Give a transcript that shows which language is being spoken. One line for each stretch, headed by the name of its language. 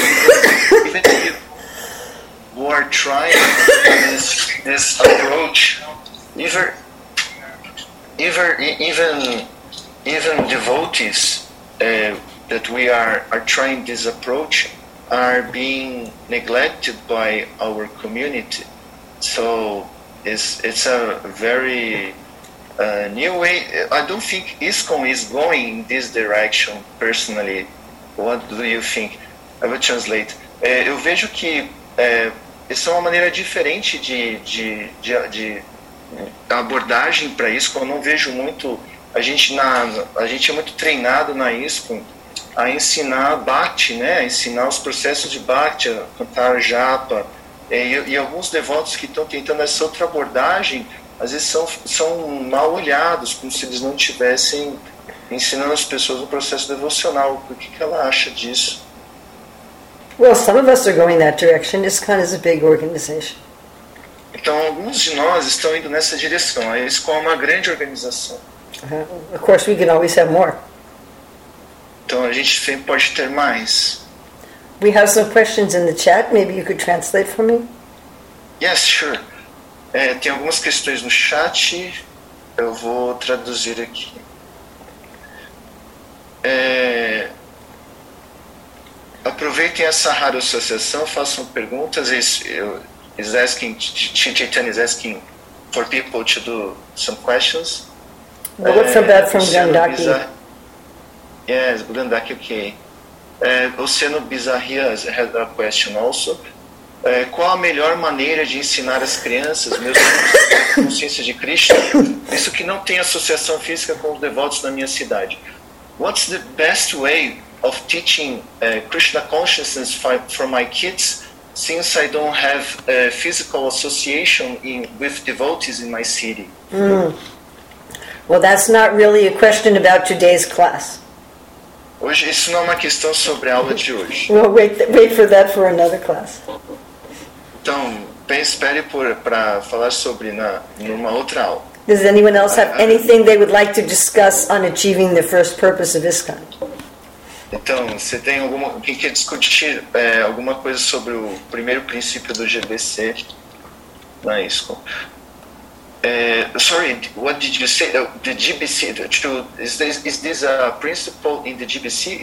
English: Even if you are trying this approach, even devotees that we are trying this approach are being neglected by our community. So it's a very new way. I don't think ISKCON is going in this direction, personally. What do you think? I will translate.
Portuguese: Eu vejo que isso é uma maneira diferente de abordagem para ISKCON. Eu não vejo muito. A gente é muito treinado na ISKCON a ensinar bhakti, né? A ensinar os processos de bhakti, a cantar japa. E alguns devotos que estão tentando essa outra abordagem, às vezes são mal olhados, como se eles não estivessem ensinando as pessoas o processo devocional. O que ela acha disso?
English: Well, some of us are going that direction. ISKCON is a big organization.
Portuguese: Então, alguns de nós estão indo nessa direção. A ISKCON é uma grande organização.
English: Of course, we can always have more.
Portuguese: Então, a gente sempre pode ter mais.
English: We have some questions in the chat. Maybe you could translate for me? Yes, sure.
Portuguese: Tem algumas questões no chat, eu vou traduzir aqui. Aproveitem essa rara associação, façam perguntas.
English: Chaitanya is asking for people to do some questions. Well, what's that from Gandaki? Yes, Gandaki, okay. Luciano Bizarria has a question also.
Portuguese: Qual a melhor maneira de ensinar as crianças, meus filhos, a consciência de Krishna, isso que não tem associação física com os devotos na minha cidade?
English: What's the best way of teaching Krishna consciousness for my kids, since I don't have a physical association with devotees in my city? Well, that's not really a question about today's class.
Portuguese: Hoje, isso não é uma questão sobre a aula de hoje.
English: Well, wait for that for another class.
Portuguese: Então, espere para falar sobre numa outra aula.
English: Does anyone else have anything they would like to discuss on achieving the first purpose of ISKCON?
Portuguese: Então, você tem alguma, quem quer discutir alguma coisa sobre o primeiro princípio do GBC na ISKCON?
English: Sorry, what did you say? The GBC, is this a principle in the GBC?